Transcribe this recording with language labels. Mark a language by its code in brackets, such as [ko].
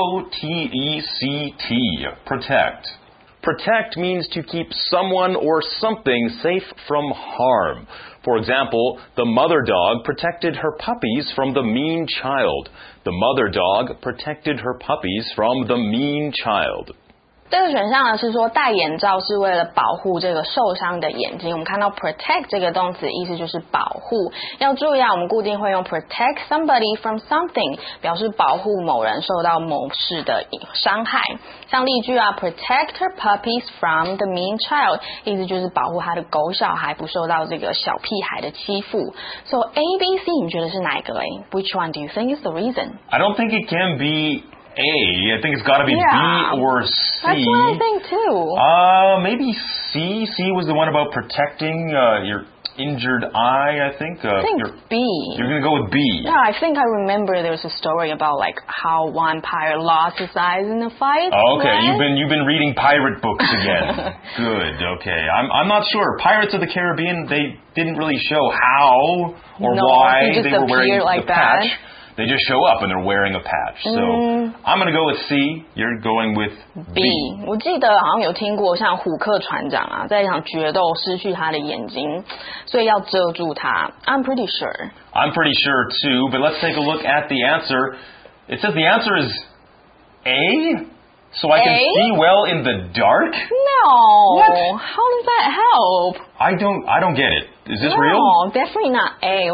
[en] P-R-O-T-E-C-T, protect. Protect means to keep someone or something safe from harm. For example, the mother dog protected her puppies from the mean child. The mother dog protected her puppies from the mean child. [zh] 这个选项呢是说戴眼罩是为了保护这个受伤的眼睛。我们看到 protect 这个动词意思就是保护。要注意啊，我们固定会用 [en] protect somebody from something [zh] 表示保护某人受到某事的伤害。像例句啊， [en] protect her puppies from the mean child [zh] 意思就是保护他的狗小孩不受到这个小屁孩的欺负。 So ABC 你觉得是哪一个呢？ [en] Which one do you think is the reason? I don't think it can beBA, I think it's got to be B or C. That's what I think too. Maybe C. C was the one about protecting your injured eye, I think. I think B. You're going to go with B. Yeah, I think I remember there was a story about like how one pirate lost his eyes in a fight. Okay, you've been reading pirate books again. Good, okay. I'm not sure. Pirates of the Caribbean, they didn't really show how or why they were wearing like the that. Patch. They just show up and they're wearing a patch. So、 mm-hmm. I'm going to go with C. You're going with B. [zh] 我记得好像有听过像虎克船长啊，在一场决斗失去他的眼睛，所以要遮住他。 [en] I'm pretty sure. I'm pretty sure too, but let's take a look at the answer. It says the answer is A? So I can see well in the dark? No. What? How does that help? I don't get it. Is this real? No, definitely not A.